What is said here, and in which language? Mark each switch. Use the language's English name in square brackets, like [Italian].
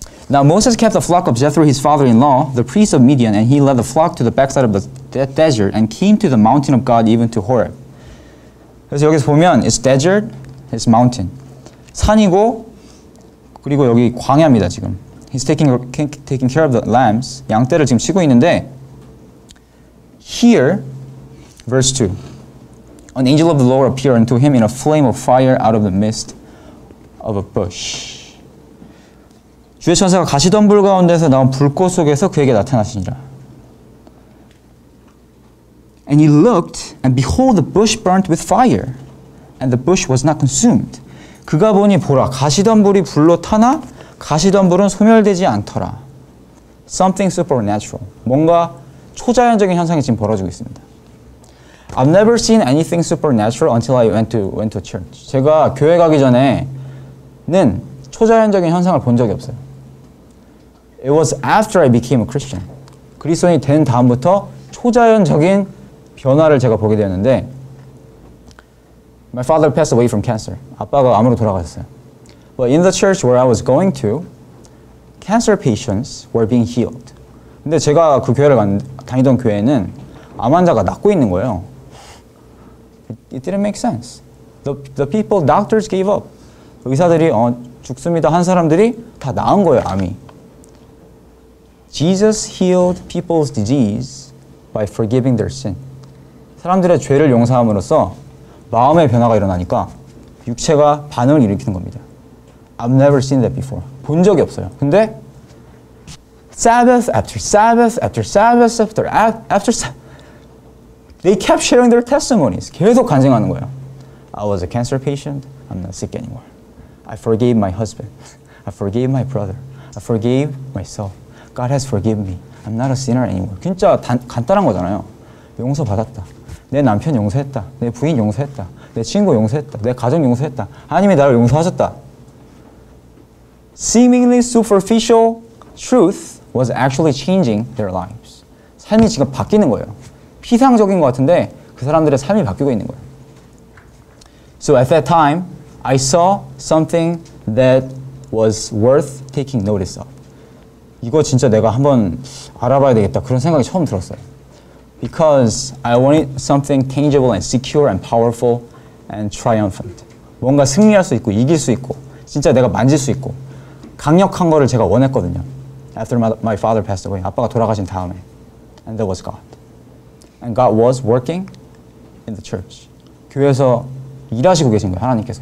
[English] Now Moses kept the flock of Jethro, his father-in-law, the priest of Midian, and he led the flock to the backside of the desert and came to the mountain of God, even to Horeb. [Korean] 그래서 여기서 보면, [English] it's desert, it's mountain. [Korean] 산이고, 그리고 여기 광야입니다, 지금. [English] He's taking care of the lambs, [Korean] 양떼를 지금 치고 있는데, [English] here, verse 2, an angel of the Lord appeared unto him in a flame of fire out of the midst of a bush. [Korean] 주의 천사가 가시덤불 가운데서 나온 불꽃 속에서 그에게 나타나시니라. [English] And he looked, and behold, the bush burnt with fire, and the bush was not consumed. [Korean] 그가 보니 보라, 가시덤불이 불로 타나 가시덤불은 소멸되지 않더라. [English] something supernatural. [Korean] 뭔가 초자연적인 현상이 지금 벌어지고 있습니다. [English] I've never seen anything supernatural until I went to church. [Korean] 제가 교회 가기 전에는 초자연적인 현상을 본 적이 없어요. [English] It was after I became a Christian. [Korean] 그리스도인이 된 다음부터 초자연적인 변화를 제가 보게 되었는데 [English] My father passed away from cancer. [Korean] 아빠가 암으로 돌아가셨어요. [English] But in the church where I was going to, cancer patients were being healed. [Korean] 근데 제가 그 교회를 다니던 교회는 암 환자가 낫고 있는 거예요. [English] It didn't make sense. The people, doctors gave up. [Korean] 의사들이 죽습니다 한 사람들이 다 나은 거예요, 암이. [English] Jesus healed people's disease by forgiving their sin. [Korean] 사람들의 죄를 용서함으로써 마음의 변화가 일어나니까 육체가 반응을 일으키는 겁니다. [English] I've never seen that before. [Korean] 본 적이 없어요. 근데 [English] Sabbath after Sabbath after Sabbath after after They kept sharing their testimonies. [Korean] 계속 간증하는 거예요. [English] I was a cancer patient. I'm not sick anymore. I forgave my husband. I forgave my brother. I forgave myself. God has forgiven me. I'm not a sinner anymore. [Korean] 진짜 간단한 거잖아요. 용서받았다. 내 남편 용서했다. 내 부인 용서했다. 내 친구 용서했다. 내 가족 용서했다. 하나님이 나를 용서하셨다. [English] Seemingly superficial truth was actually changing their lives. [Korean] 삶이 지금 바뀌는 거예요. 피상적인 것 같은데 그 사람들의 삶이 바뀌고 있는 거예요. [English] So at that time, I saw something that was worth taking notice of. [Korean] 이거 진짜 내가 한번 알아봐야 되겠다. 그런 생각이 처음 들었어요. [English] Because I wanted something tangible and secure and powerful and triumphant. [Korean] 뭔가 승리할 수 있고 이길 수 있고 진짜 내가 만질 수 있고 강력한 거를 제가 원했거든요. [English] After my father passed away, [Korean] 아빠가 돌아가신 다음에. [English] And that was God. And God was working in the church. [Korean] 교회에서 일하시고 계신 거예요, 하나님께서.